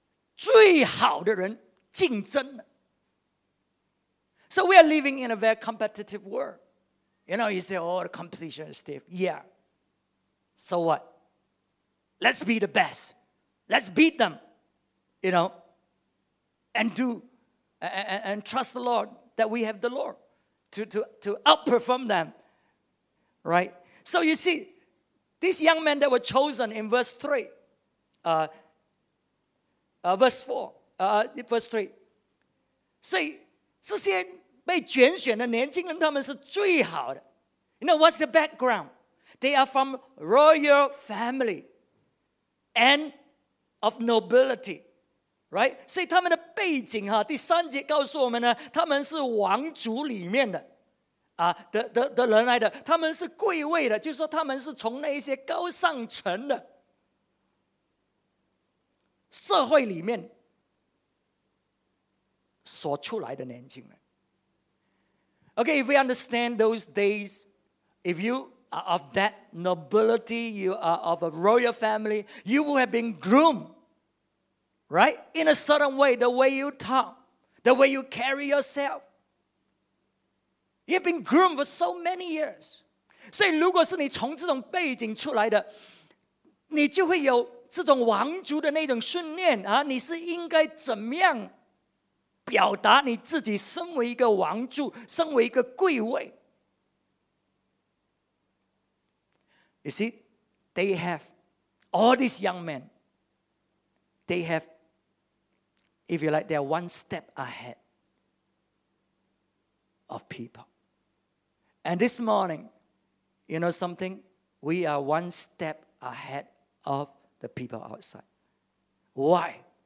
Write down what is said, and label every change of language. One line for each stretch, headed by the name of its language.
Chinese: 所以但以理呢,他们是跟那些最好的人竞争的。
English: So we are living in a very competitive world. You know, you say, oh, the competition is stiff. Yeah. So what? Let's be the best. Let's beat them. You know, and trust the Lord that we have the Lord. To outperform them, right? So you see, these young men that were chosen in verse 3, verse 3.
Chinese: 所以这些被拣选的年轻人他们是最好的,
English: You know, what's the background? They are from royal family and of nobility, right?
Chinese: 所以他们的背景, 第三节告诉我们呢, 他们是王族里面的, the人来的, 他们是贵位的, 就是说他们是从那些高上层的, 社会里面, 所出来的年轻人。
English: Okay, if we understand those days, if you are of that nobility, you are of a royal family, you will have been groomed, right? In a certain way, the way you talk, the way you carry yourself. You've been groomed for so many years.
Chinese: 所以如果是你从这种背景出来的, 你就会有这种王族的那种训练, 你是应该怎么样 表达你自己身为一个王柱, 身为一个贵位。
English: You see, they have, all these young men, they have, if you like, they are one step ahead of people. And this morning, you know something? We are one step ahead of the people outside. Why?